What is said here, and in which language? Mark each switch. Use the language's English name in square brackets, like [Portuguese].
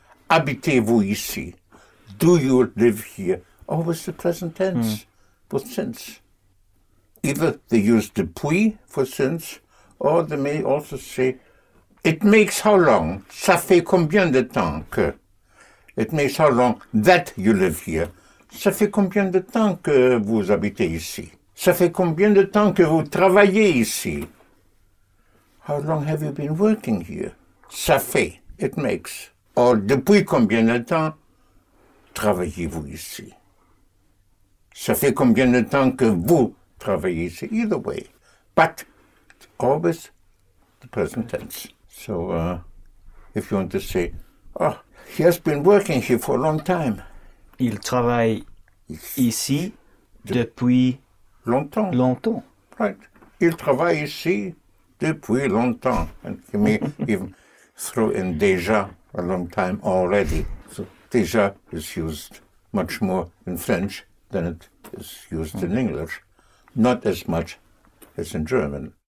[French] Habitez-vous ici? [English] Do you live here? Always the present tense, but since. Either they use depuis for since, or they may also say, it makes how long? [French] Ça fait combien de temps que? [English] It may sound long that you live here. [French] Ça fait combien de temps que vous habitez ici? Ça fait combien de temps que vous travaillez ici? [English] How long have you been working here? [French] Ça fait, [English] it makes. [French] Or depuis combien de temps travaillez-vous ici? Ça fait combien de temps que vous travaillez ici? [English] Either way. But it's always the present tense. So if you want to say, oh, he has been working here for a long time. [French] Il travaille ici depuis longtemps. Longtemps. [English] Right. [French] Il travaille ici depuis longtemps. [English] And you may even throw in déjà, a long time already. So déjà is used much more in French than it is used in English. Not as much as in German.